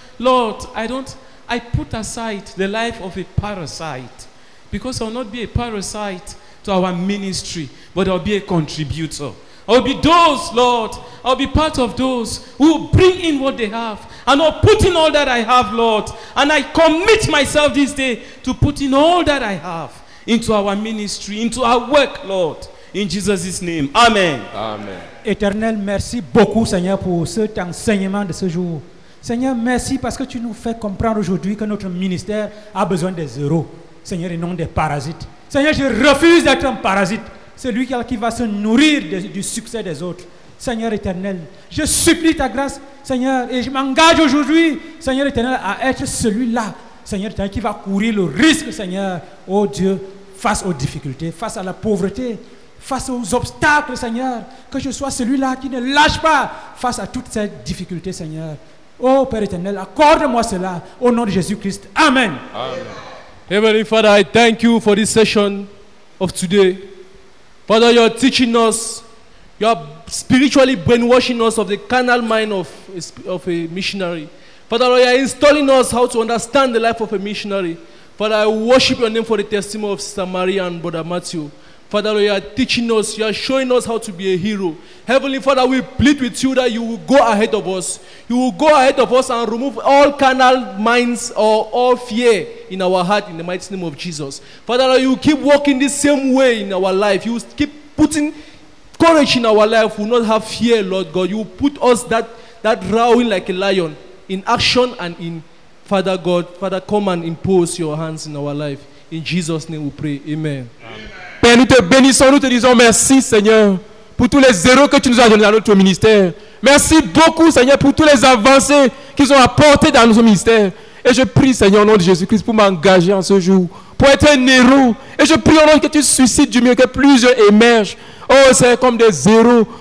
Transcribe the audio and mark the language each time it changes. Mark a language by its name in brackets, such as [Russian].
[English] Lord, I put aside the life of a parasite, because I will not be a parasite to our ministry, but I will be a contributor. I'll be those, Lord. I'll be part of those who bring in what they have. And I'll put in all that I have, Lord. And I commit myself this day to put in all that I have into our ministry, into our work, Lord. In Jesus' name. Amen. Amen. [French] Éternel, merci beaucoup, Seigneur, pour cet enseignement de ce jour. Seigneur, merci parce que tu nous fais comprendre aujourd'hui que notre ministère a besoin des zéros. Seigneur, et non des parasites. Seigneur, je refuse d'être un parasite. Celui qui va se nourrir du succès des autres. Seigneur éternel, je supplie ta grâce, Seigneur, et je m'engage aujourd'hui, Seigneur éternel, à être celui-là, Seigneur éternel, qui va courir le risque, Seigneur, oh Dieu, face aux difficultés, face à la pauvreté, face aux obstacles, Seigneur, que je sois celui-là qui ne lâche pas face à toutes ces difficultés, Seigneur. Oh Père éternel, accorde-moi cela au nom de Jésus-Christ. Amen. Amen. [English] Heavenly Father, I thank you for this session of today. Father, you are teaching us, you are spiritually brainwashing us of the carnal mind of a missionary. Father, you are installing us how to understand the life of a missionary. Father, I worship your name for the testimony of Sister Maria and Brother Matthew. Father, you are teaching us, you are showing us how to be a hero. Heavenly Father, we plead with you that you will go ahead of us. You will go ahead of us and remove all carnal minds or all fear in our heart in the mighty name of Jesus. Father, you keep walking the same way in our life. You keep putting courage in our life. We will not have fear, Lord God. You will put us that roaring like a lion in action and in, Father God, Father, come and impose your hands in our life. In Jesus' name we pray. Amen. Amen. [French] Père, nous te bénissons, nous te disons merci, Seigneur, pour tous les zéros que tu nous as donnés dans notre ministère. Merci beaucoup, Seigneur, pour toutes les avancées qu'ils ont apportées dans notre ministère. Et je prie, Seigneur, au nom de Jésus-Christ, pour m'engager en ce jour, pour être un héros. Et je prie, au nom de que tu suscites du mieux, que plusieurs émergent. Oh, c'est comme des zéros.